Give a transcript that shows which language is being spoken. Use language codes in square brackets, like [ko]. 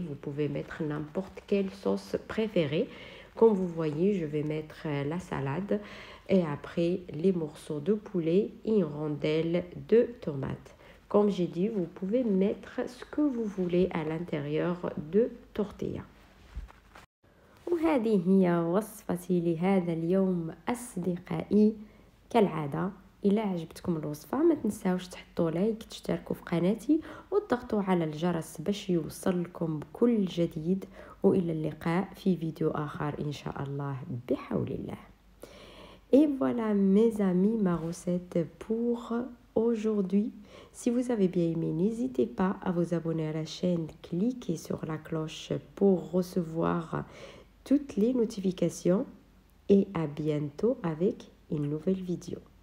[fr] Vous pouvez mettre n'importe quelle sauce préférée. Comme vous voyez, je vais mettre la salade et après les morceaux de poulet et une rondelle de tomate. Comme j'ai dit, vous pouvez mettre ce que vous voulez à l'intérieur de tortilla. [ar] وهذه هي وصفتي لهذا اليوم أصدقائي كالعادة. إلا عجبتكم الوصفة ما تنساوش تحطوا لايك، تشتركوا في قناتي وتضغطوا على الجرس باش يوصلكم بكل جديد. وإلى اللقاء في فيديو آخر إن شاء الله بحول الله. [fr] Et voilà mes amis ma recette pour aujourd'hui. Si vous avez bien aimé, n'hésitez pas à vous abonner à la chaîne, cliquez sur la cloche pour recevoir toutes les notifications et à bientôt avec une nouvelle vidéo.